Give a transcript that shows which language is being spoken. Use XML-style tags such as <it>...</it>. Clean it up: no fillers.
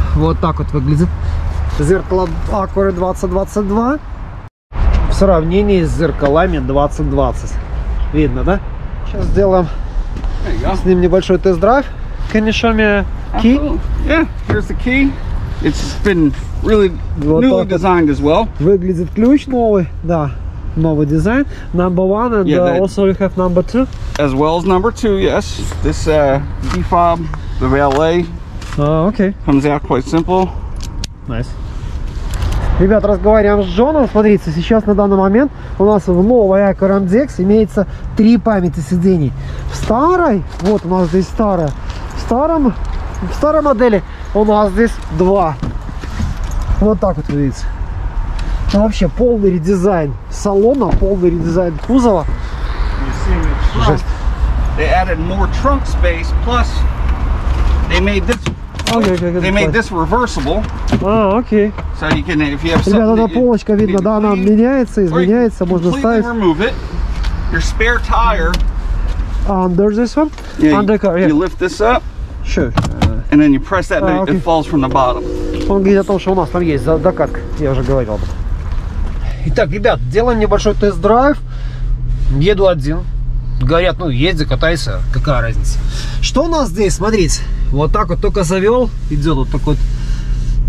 <ru>Вот так вот выглядит зеркало Acura 2022 в сравнении с зеркалами 2020. Видно, да? Сейчас сделаем с ним небольшой тест-драйв.</ru> <en>Can you show me key? Yeah, here's the key. It's been really newly designed as well.</en> <ru>Выглядит ключ новый, да. Новый дизайн,</ru> <en>number one, and also you have number two. As well as number two, yes. This defob, the valet. Okay. Comes out quite simple. Nice.</en> <ru>Ребят, разговариваем с Джоном. Смотрите, сейчас на данный момент у нас в новой Acura MDX имеется 3 памяти сидений. В старой, вот у нас здесь старая, в старой модели у нас здесь 2. Вот так вот видите. Это вообще полный редизайн салона, полный редизайн кузова. Жесть.</ru> <en>They added more trunk space, plus they made this, they made this reversible.</en> <ru>Окей.</ru> <en>So you can, if you have something.</en> <ru>Ребята, полочка видно, да, она меняется, изменяется, можно ставить.</ru> <en>Completely remove it. Your spare tire. Under this one? Yeah, under car. Yeah. You lift this up. Sure. And then you press that, and it falls from the bottom.</en> <ru>Он говорит о том, что у нас там есть докатка. Я уже говорил. Итак, ребят, делаем небольшой тест-драйв. Еду один. Говорят, ну езди, катайся, какая разница. Что у нас здесь, смотрите. Вот так вот только завел. Идет вот такой вот</ru>